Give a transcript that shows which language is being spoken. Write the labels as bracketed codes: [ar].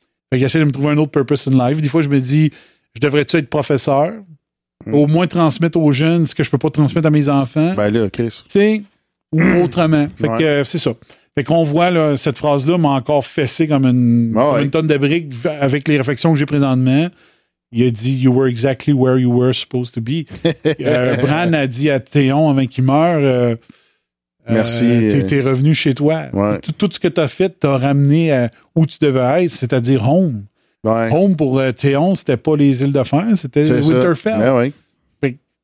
[fr] Fait que j'essaie de me trouver un autre [en] purpose in life. [fr] Des fois, je me dis, je devrais-tu être professeur? Au moins transmettre aux jeunes ce que je peux pas transmettre à mes enfants. Ben là, Chris. Tu sais? Ou autrement. Fait que c'est ça. Fait qu'on voit, là, cette phrase-là m'a encore fessé comme une tonne de briques avec les réflexions que j'ai présentement. Il a dit, [en] you were exactly where you were supposed to be. [fr] Bran a dit à Théon avant qu'il meure. Merci. T'es revenu chez toi. Ouais. Tout ce que t'as fait, t'as ramené à où tu devais être, c'est-à-dire home. Ouais. Home pour Théon, c'était pas les îles de Fer, c'était c'est Winterfell. Ouais, ouais.